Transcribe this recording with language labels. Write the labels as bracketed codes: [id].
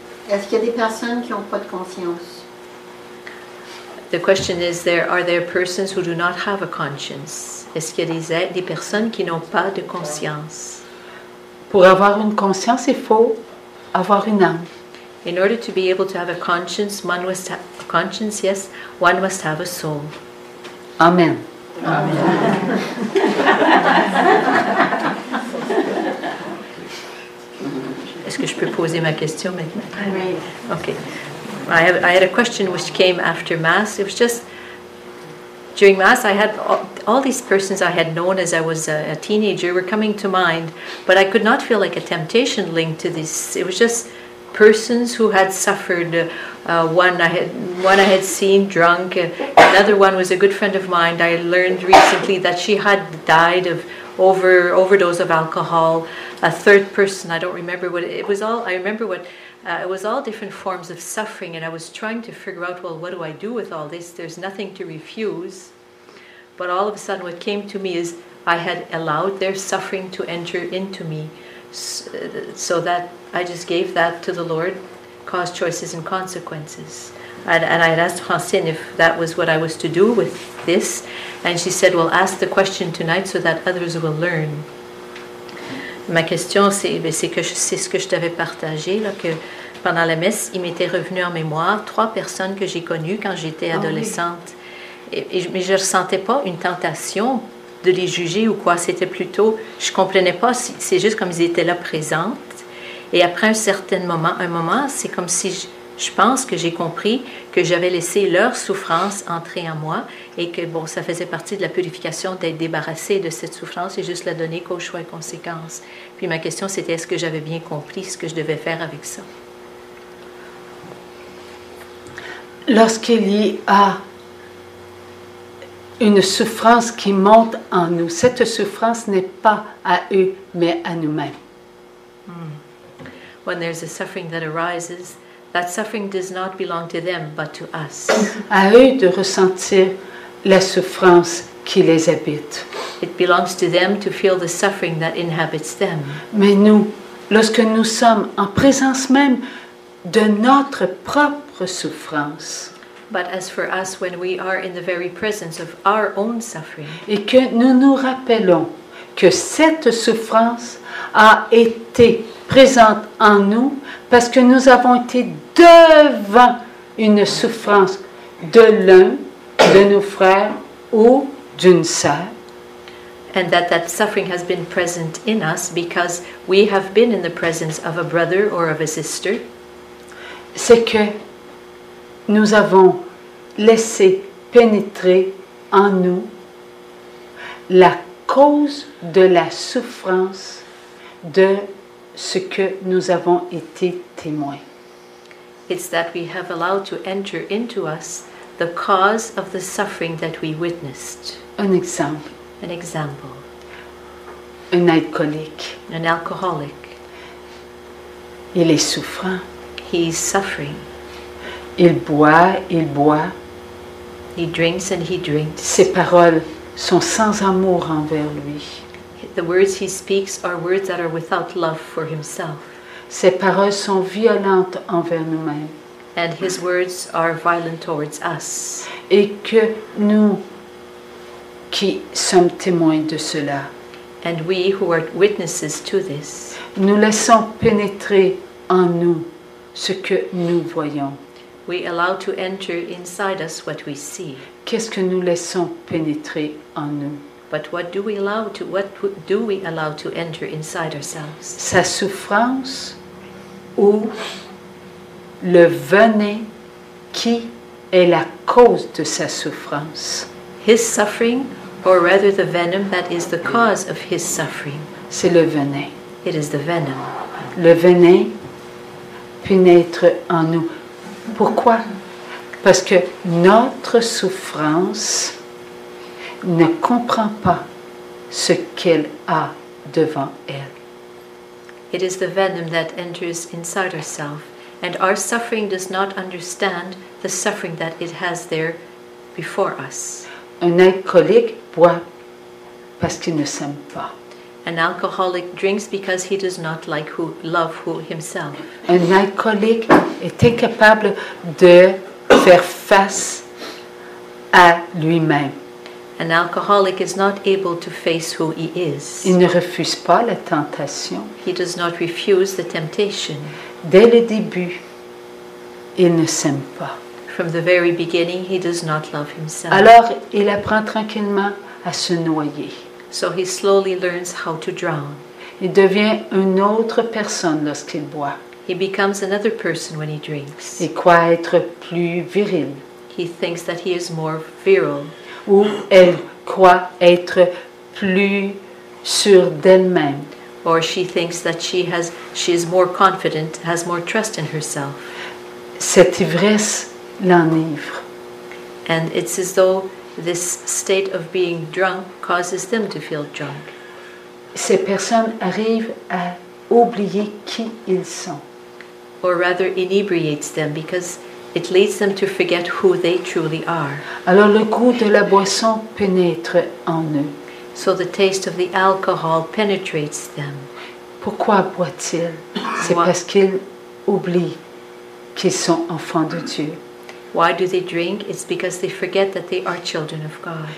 [fr] Est-ce qu'il y a des personnes qui n'ont pas de conscience? [en] The question is, are there persons who do not have a conscience? [fr] Est-ce qu'il y a des personnes qui n'ont pas de conscience? Pour avoir une conscience, il faut avoir une âme. [en] In order to be able to have a conscience, one must have a soul. Amen. Amen. [fr] Est-ce que je peux poser ma question maintenant? Oui. [en] OK. I had a question which came after Mass. It was just during Mass, I had all these persons I had known as I was a teenager were coming to mind, but I could not feel like a temptation linked to this. It was just persons who had suffered. One I had seen drunk. Another one was a good friend of mine. I learned recently that she had died of overdose of alcohol. A third person, I don't remember what it was all. I remember what. It was all different forms of suffering, and I was trying to figure out, well, what do I do with all this? There's nothing to refuse. But all of a sudden, what came to me is I had allowed their suffering to enter into me, so that I just gave that to the Lord, cause choices and consequences. And I had asked Francine if that was what I was to do with this, and she said, well, ask the question tonight so that others will learn. [fr] Ma question, c'est ce que je t'avais partagé, là, que pendant la messe, il m'était revenu en mémoire trois personnes que j'ai connues quand j'étais adolescente. Mais je ne ressentais pas une tentation de les juger ou quoi. C'était plutôt, je ne comprenais pas, c'est juste comme ils étaient là présents. Et après un moment, c'est comme si je pense que j'ai compris que j'avais laissé leur souffrance entrer en moi et que, bon, ça faisait partie de la purification d'être débarrassée de cette souffrance et juste la donner qu'aux choix et conséquences. Puis ma question, c'était, est-ce que j'avais bien compris ce que je devais faire avec ça? Lorsqu'il y a une souffrance qui monte en nous, cette souffrance n'est pas à eux, mais à nous-mêmes. [en] When there's a suffering that arises, that suffering does not belong to them, but to us. [fr] À eux de ressentir la souffrance qui les habite. [en] It belongs to them to feel the suffering that inhabits them. [fr] Mais nous, lorsque nous sommes en présence même de notre propre souffrance. [en] But as for us, when we are in the very presence of our own suffering. [fr] Et que nous nous rappelons que cette souffrance a été présente en nous parce que nous avons été devant une souffrance de l'un de nos frères ou d'une sœur. [en] And that suffering has been present in us because we have been in the presence of a brother or of a sister. [fr] c'est que nous avons laissé pénétrer en nous la cause de la souffrance de ce que nous avons été témoins. [en] It's that we have allowed to enter into us the cause of the suffering that we witnessed. [fr] Un exemple. [en] An example. [fr] Un alcoolique. [en] An alcoholic. [fr] Il est souffrant. [en] He is suffering. [fr] Il boit. [en] He drinks and he drinks. [fr] Ses paroles sont sans amour envers lui. [en] The words he speaks are words that are without love for himself. [fr] Ses paroles sont violentes envers nous-mêmes. [en] And his words are violent towards us. [fr] Et que nous qui sommes témoins de cela. [en] And we who are witnesses to this. [fr] Nous laissons pénétrer en nous ce que nous voyons. [en] We allow to enter inside us what we see. [fr] Qu'est-ce que nous laissons pénétrer en nous? [en] But what do we allow to enter inside ourselves? [fr] Sa souffrance ou le venin qui est la cause de sa souffrance? [en] His suffering, or rather the venom that is the cause of his suffering. [fr] C'est le venin. [en] It is the venom. [fr] Le venin pénètre en nous. Pourquoi? Parce que notre souffrance ne comprend pas ce qu'elle a devant elle. [en] It is the venom that enters inside ourselves, and our suffering does not understand the suffering that it has there before us. [fr] Un alcoolique boit parce qu'il ne s'aime pas. [en] An alcoholic drinks because he does not like who love who himself. [fr] Un alcoolique est incapable de faire face à lui-même. [en] An alcoholic is not able to face who he is. [fr] Il ne refuse pas la tentation. [en] He does not refuse the temptation. [fr] Dès le début, il ne s'aime pas. [en] From the very beginning, he does not love himself. [fr] Alors, il apprend tranquillement à se noyer. [en] So he slowly learns how to drown. [fr] Il devient une autre personne lorsqu'il boit. [en] He becomes another person when he drinks. [fr] Il croit être plus viril. [en] He thinks that he is more virile. [fr] Ou elle croit être plus sûre d'elle-même. [en] Or she thinks that she is more confident, has more trust in herself. [fr] Cette ivresse l'enivre. [en] And it's as though this state of being drunk causes them to feel drunk. [fr] Ces personnes arrivent à oublier qui ils sont. [en] Or rather inebriates them because it leads them to forget who they truly are. [fr] Alors le goût de la boisson pénètre en eux. [en] So the taste of the alcohol penetrates them. [fr] Pourquoi boit-il? C'est parce qu'ils oublient qu'ils sont enfants de Dieu. [en] Why do they drink? It's because they forget that they are children of God.